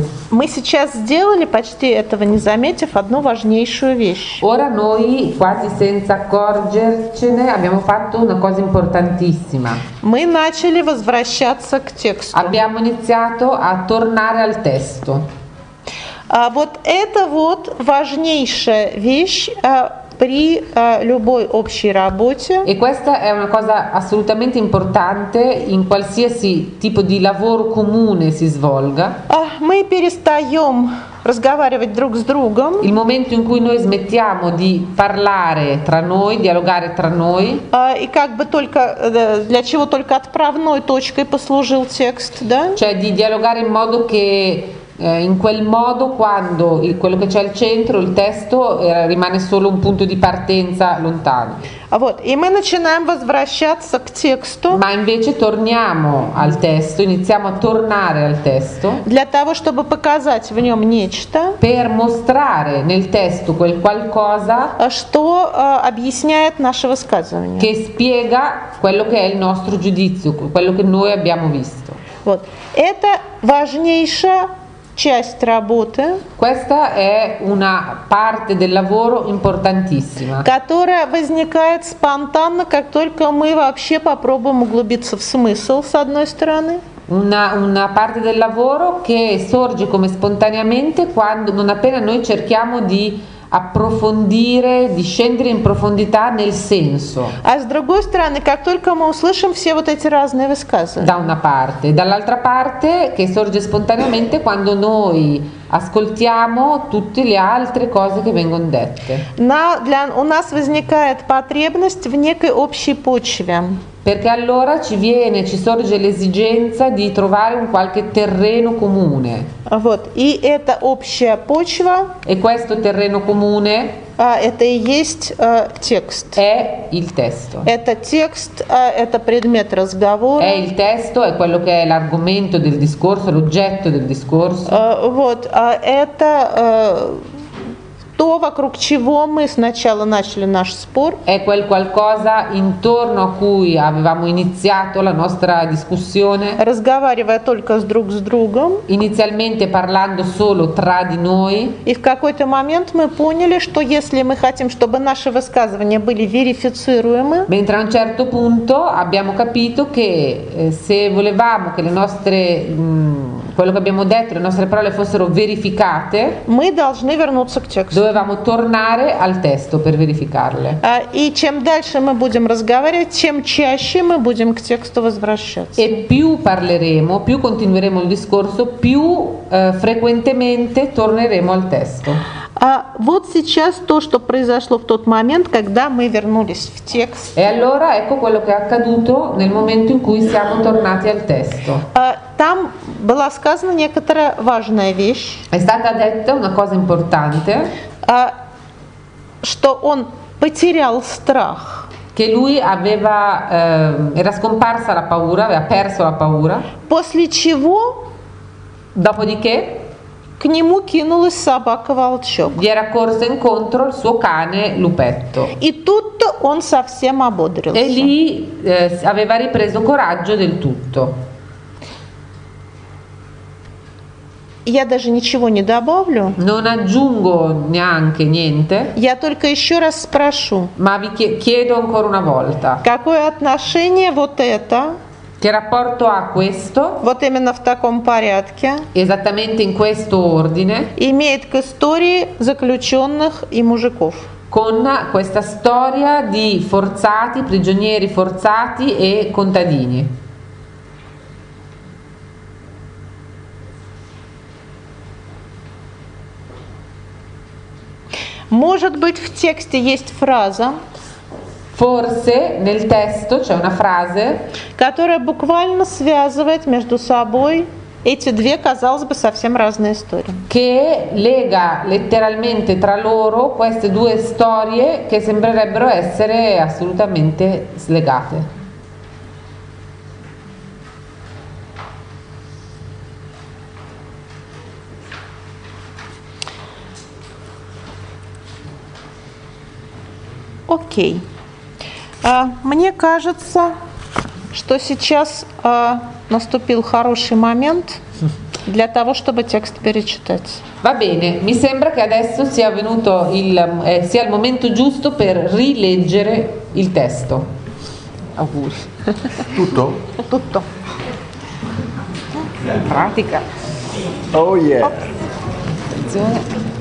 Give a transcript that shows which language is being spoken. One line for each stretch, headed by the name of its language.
Russian: Мы сейчас сделали, почти этого не заметив, одну важнейшую вещь.
Italian: Ora noi quasi senza accorgercene abbiamo fatto una cosa importantissima.
Russian: Мы начали возвращаться к тексту.
Italian: Abbiamo iniziato a tornare al testo.
Russian: Вот это вот важнейшая вещь при любой общей работе.
Italian: E questa è una cosa assolutamente importante in qualsiasi tipo di lavoro comune si svolga.
Russian: Мы перестаем разговаривать друг с другом.
Italian: Il momento in cui noi smettiamo di parlare tra noi, dialogare tra noi.
Russian: И как бы только для чего только отправной точкой послужил текст, да?
Italian: Cioè di dialogare in modo che in quel modo, quando quello che c'è al centro, il testo, rimane solo un punto di partenza lontano.
Russian: Вот, и мы начинаем возвращаться к тексту.
Italian: Ma invece torniamo al testo, iniziamo a tornare al testo.
Russian: Для того, чтобы показать в нем нечто.
Italian: Per mostrare nel testo quel qualcosa.
Russian: Что объясняет наше высказывание.
Italian: Che spiega quello che è il nostro giudizio, quello che noi abbiamo visto.
Russian: Вот, это важнейшая часть работы.
Italian: Questa è una parte del lavoro importantissima.
Russian: Которая возникает спонтанно, как только мы вообще попробуем углубиться в смысл с одной стороны.
Italian: Una parte del lavoro che sorge come spontaneamente quando non appena noi cerchiamo di approfondire, di scendere in profondità nel senso.
Russian: А с другой стороны, как только мы услышим все вот эти разные высказывания.
Italian: Da una parte, dall'altra parte che sorge spontaneamente quando noi ascoltiamo tutte le altre cose che vengono dette.
Russian: У нас возникает потребность в некой общей почве.
Italian: perché allora ci viene, ci sorge l'esigenza di trovare un qualche terreno comune.
Russian: Вот. И это общая почва.
Italian: E questo terreno comune?
Russian: Это и есть текст.
Italian: È il testo.
Russian: Это текст, это предмет разговора.
Italian: È il testo, è quello che è l'argomento del discorso, l'oggetto del discorso.
Russian: Вот. Это то, вокруг чего мы сначала начали наш спор.
Italian: È quel qualcosa intorno a cui avevamo iniziato la nostra discussione.
Russian: Разговаривая только с друг с другом.
Italian: Inizialmente parlando solo tra di noi.
Russian: И в какой-то момент мы поняли, что если мы хотим, чтобы наши высказывания были верифицируемы.
Italian: Mentre a un certo punto abbiamo capito che se volevamo che le nostre quello che abbiamo detto, le nostre parole fossero verificate,
Russian: мы должны вернуться к тексту.
Italian: Dovevamo tornare al testo per verificarle.
Russian: И чем дальше мы будем разговаривать, тем чаще мы будем к тексту возвращаться.
Italian: E più parleremo, più continueremo il discorso, più frequentemente torneremo al testo.
Russian: Вот сейчас то, что произошло в тот момент, когда мы вернулись в текст.
Italian: E allora ecco quello che è accaduto nel momento in cui siamo tornati al testo.
Russian: Там была сказана некоторая важная вещь.
Italian: È stata detta una cosa importante.
Russian: Что он потерял страх.
Italian: Che lui aveva era scomparsa la paura, aveva perso la paura.
Russian: После чего?
Italian: Dopodiché?
Russian: К нему кинулась собака волчок.
Italian: Gli era corso incontro il suo cane Lupetto.
Russian: И тут-то он совсем ободрился.
Italian: E lì aveva ripreso coraggio del tutto.
Russian: Я даже ничего не добавлю.
Italian: Non aggiungo neanche niente.
Russian: Я только еще раз спрошу.
Italian: Ma vi chiedo ancora una volta.
Russian: Какое отношение вот это?
Italian: Che rapporto ha questo?
Russian: Вот именно в таком порядке.
Italian: Esattamente in questo ordine.
Russian: Имеет к истории заключенных и мужиков.
Italian: Con questa storia di forzati, prigionieri forzati e contadini.
Russian: Может быть, в тексте есть фраза.
Italian: Forse nel testo c'è una frase,
Russian: которая буквально связывает между собой эти две, казалось бы, совсем разные истории.
Italian: Che lega letteralmente tra loro queste due storie che sembrerebbero essere assolutamente slegate.
Russian: Окей. Мне кажется, что сейчас наступил хороший момент для того, чтобы текст перечитать.
Italian: Va bene, mi sembra che adesso sia venuto il sia il momento giusto per rileggere il testo. Augusto. Tutto? Tutto. In pratica.
English: Oh yeah. Oh.